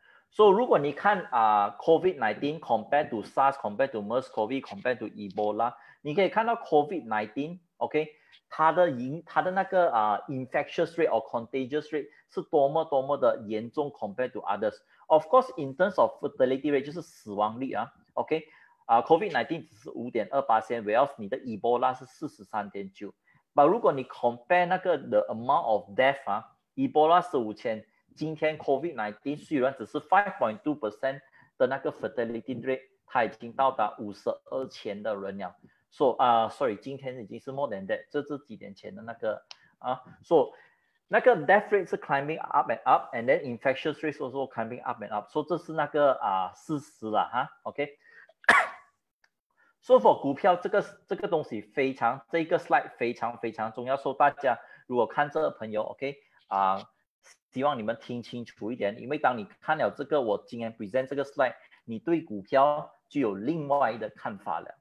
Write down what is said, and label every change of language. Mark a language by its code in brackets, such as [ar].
[en] 所、so, [zh] 以如果你看 [en] COVID-19 compared to SARS, compared to MERS-CoV, compared to Ebola, [zh] 你可以看到 [en] COVID-19, OK, 它的那个infectious rate or contagious rate [zh] 是多么多么的严重 [en] compared to others. Of course, in terms of fatality rate, [zh] 就是死亡率啊 [en] ,OK, COVID-19 只是 5.28%, whereas 你的 Ebola 是 43.9%. But [zh] 如果你 [en] compare 那个 the amount of death, Ebola 是5000,今天 COVID-19 虽然只是 5.2% 的那个 fatality rate， [zh] 它已经到达52000的人了。 [en] So, sorry, [zh] 今天已经是 [en] more than that， [zh] 这是几年前的那个。 [en] So, [zh] 那个 [en] death rate 是 climbing up and up, and then infectious rate also climbing up and up. [zh] So, 这是那个事实啦，哈 ,OK? [en] So, for [zh] 股票这个东西非常，这个 slide 非常非常重要。 So, 大家如果看这个朋友 ,OK? 希望你们听清楚一点，因为当你看了这个我今天 [en] present [zh] 这个 slide， 你对股票就有另外的看法了。